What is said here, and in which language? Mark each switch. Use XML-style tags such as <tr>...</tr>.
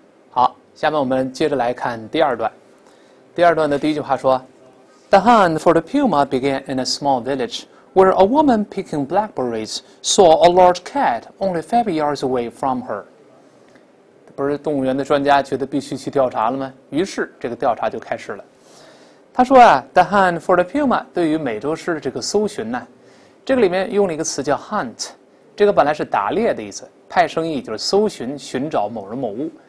<zh>好，下面我们接着来看第二段。第二段的第一句话说：“</zh> <en>The hunt for the puma began in a small village, where a woman picking blackberries saw a large cat only 5 yards away from her。”</en> <zh>不是动物园的专家觉得必须去调查了吗？于是这个调查就开始了。他说啊：</zh> <en>“The hunt for the puma</en> <zh>对于美洲狮的这个搜寻呢，这个里面用了一个词叫 hunt，这个本来是打猎的意思，派生意就是搜寻、寻找某人某物。”</zh>